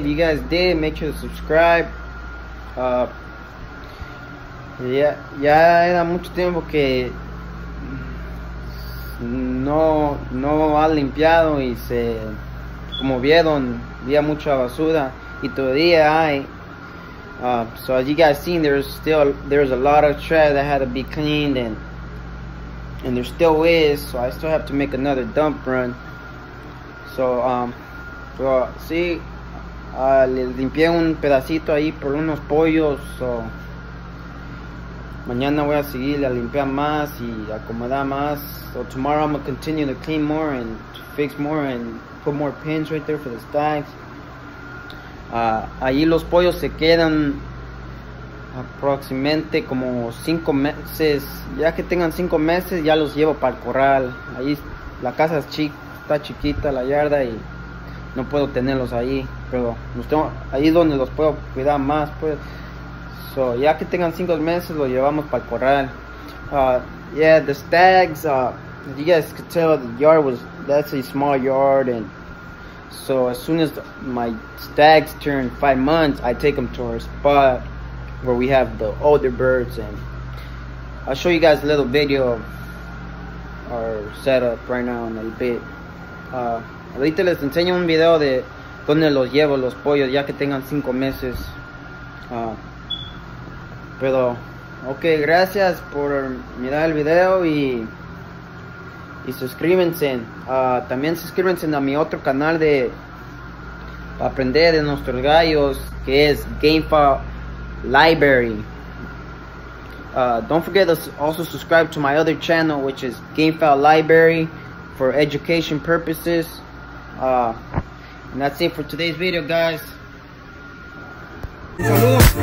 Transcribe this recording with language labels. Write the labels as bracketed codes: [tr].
[en] If you guys did, make sure to subscribe. [es] Ya era mucho tiempo que no ha limpiado y se, como vieron, había mucha basura y todavía hay. [en] So as you guys seen, there's a lot of trash that had to be cleaned, and there still is. So I still have to make another dump run. [es] So sí, le limpié un pedacito ahí por unos pollos. So mañana voy a seguir a limpiar más y acomodar más. [en] So tomorrow I'm gonna continue to clean more and fix more and put more pins right there for the stacks. [es] Ahí los pollos se quedan aproximadamente como 5 meses. Ya que tengan 5 meses, ya los llevo para el corral. Ahí la casa es está chiquita, la yarda, y no puedo tenerlos ahí, pero los tengo ahí donde los puedo cuidar más, pues. So ya que tengan 5 meses, los llevamos para el corral. [en] Yeah, the stags, you guys could tell the yard was, that's a small yard, and so as soon as my stags turn 5 months, I take them to our spot where we have the older birds, and I'll show you guys a little video of our setup right now in a bit. [es] Ahorita les enseño un video de donde los llevo los pollos ya que tengan 5 meses. Pero ok, gracias por mirar el video y suscríbanse. También suscríbanse a mi otro canal de aprender de nuestros gallos, que es Gamefowl Library. [en] Don't forget to also subscribe to my other channel, which is Gamefowl Library, for education purposes. And that's it for today's video, guys. [es] Saludos.